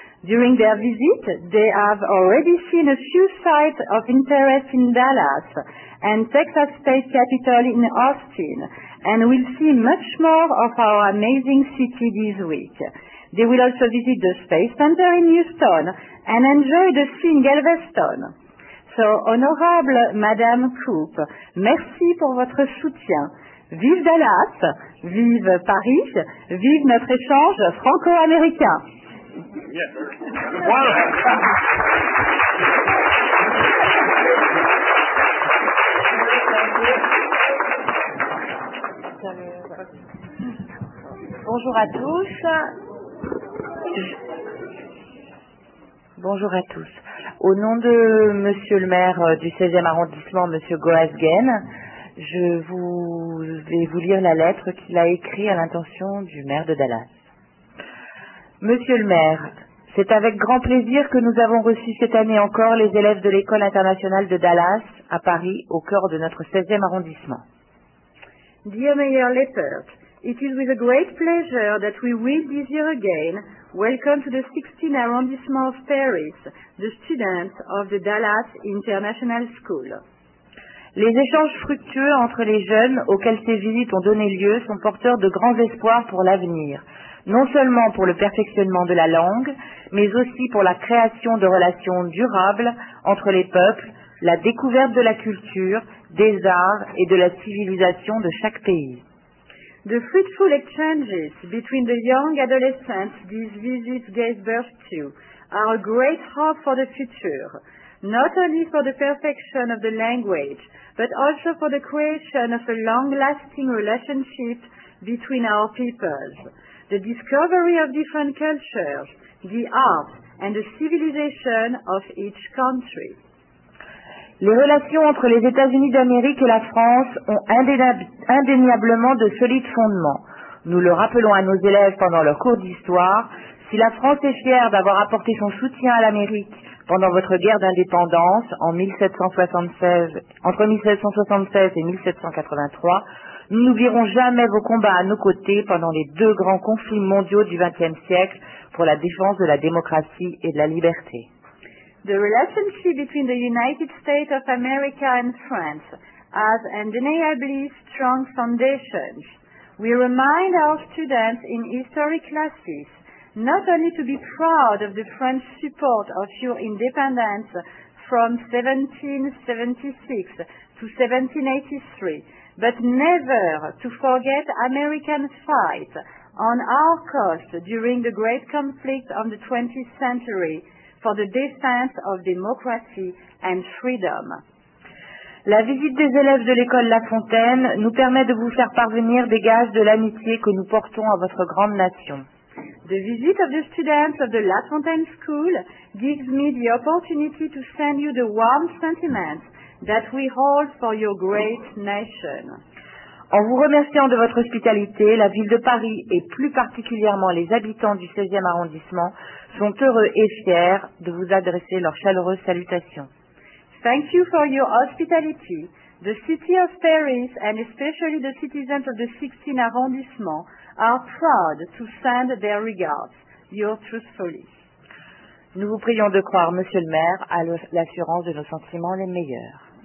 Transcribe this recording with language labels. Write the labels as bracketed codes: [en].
[en] During their visit, they have already seen a few sites of interest in Dallas and Texas State Capitol in Austin, and will see much more of our amazing city this week. They will also visit the Space Center in Houston and enjoy the sea in Galveston. [fr] So, honorable Madame Coop, merci pour votre soutien. Vive Dallas, vive Paris, vive notre échange franco-américain. [en] Yes. Well, [fr] bonjour à tous. Bonjour à tous. Au nom de Monsieur le maire du 16e arrondissement, Monsieur Goasguen, je vais vous lire la lettre qu'il a écrite à l'intention du maire de Dallas. Monsieur le maire, c'est avec grand plaisir que nous avons reçu cette année encore les élèves de l'École internationale de Dallas à Paris, au cœur de notre 16e arrondissement. [en] Dear Mayor Lepert, it is with a great pleasure that we will this year again welcome to the 16th arrondissement of Paris the students of the Dallas International School. [fr] Les échanges fructueux entre les jeunes auxquels ces visites ont donné lieu sont porteurs de grands espoirs pour l'avenir, non seulement pour le perfectionnement de la langue, mais aussi pour la création de relations durables entre les peuples, la découverte de la culture, des arts et de la civilisation de chaque pays. [en] The fruitful exchanges between the young adolescents these visits gave birth to are a great hope for the future, not only for the perfection of the language, but also for the creation of a long-lasting relationship between our peoples. The discovery of different cultures, the arts, and the civilization of each country. [fr] Les relations entre les États-Unis d'Amérique et la France ont indéniablement de solides fondements. Nous le rappelons à nos élèves pendant leur cours d'histoire, si la France est fière d'avoir apporté son soutien à l'Amérique pendant votre guerre d'indépendance entre 1776 et 1783, nous n'oublierons jamais vos combats à nos côtés pendant les deux grands conflits mondiaux du XXe siècle pour la défense de la démocratie et de la liberté. [en] The relationship between the United States of America and France has undeniably strong foundations. We remind our students in history classes not only to be proud of the French support of your independence from 1776 to 1783, but never to forget American fight on our coast during the great conflict of the 20th century for the defense of democracy and freedom. [fr] La visite des élèves de l'école La Fontaine nous permet de vous faire parvenir des gages de l'amitié que nous portons à votre grande nation. [en] The visit of the students of the La Fontaine School gives me the opportunity to send you the warm sentiments that we hold for your great nation. [fr] En vous remerciant de votre hospitalité, la ville de Paris et plus particulièrement les habitants du 16e arrondissement sont heureux et fiers de vous adresser leurs chaleureuses salutations. [en] Thank you for your hospitality. The city of Paris and especially the citizens of the 16th arrondissement are proud to send their regards. Yours truthfully. [fr] Nous vous prions de croire, Monsieur le maire, à l'assurance de nos sentiments les meilleurs.